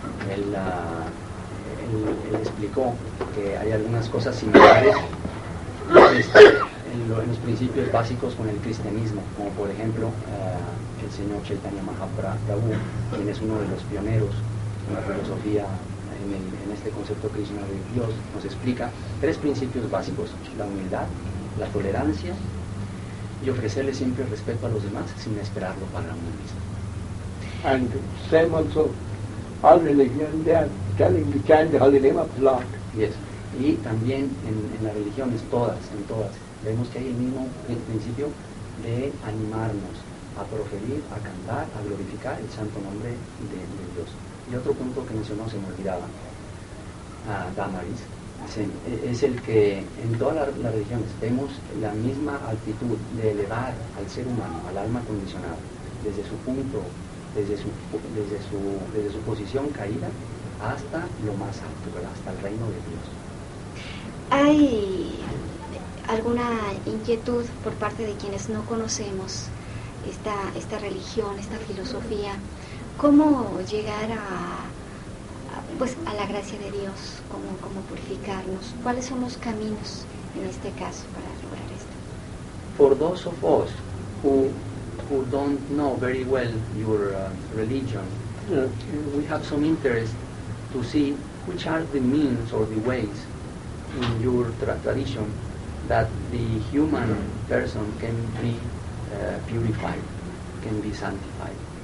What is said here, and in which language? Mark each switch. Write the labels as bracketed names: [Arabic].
[Spanish] Él explicó que hay algunas cosas similares en los principios básicos con el cristianismo, como por ejemplo el señor Chaitanya Mahaprabhu, quien es uno de los pioneros en la filosofía, en este concepto Krishna de Dios, nos explica tres principios básicos: la humildad, la tolerancia y ofrecerle siempre respeto a los demás sin esperarlo para uno mismo. [English] And same also all religion, they are telling, we chant the holy name of the Lord. Yes. [Spanish] Y también en las religiones, todas, vemos que hay el mismo principio de animarnos a proferir, a cantar, a glorificar el santo nombre de Dios. Y otro punto que mencionó, se me olvidaba, Damaris, es el que en todas las religiones vemos la misma actitud de elevar al ser humano, al alma condicionada, desde su punto, desde su posición caída, hasta lo más alto, ¿verdad? Hasta el reino de Dios. ¿Hay alguna inquietud por parte de quienes no conocemos esta religión, esta filosofía? ¿Cómo llegar a la gracia de Dios? ¿Cómo purificarnos? ¿Cuáles son los caminos en este caso para lograr esto? [English] For those of us who don't know very well your religion, we have some interest to see which are the means or the ways in your tradition that the human person can be purified, can be sanctified.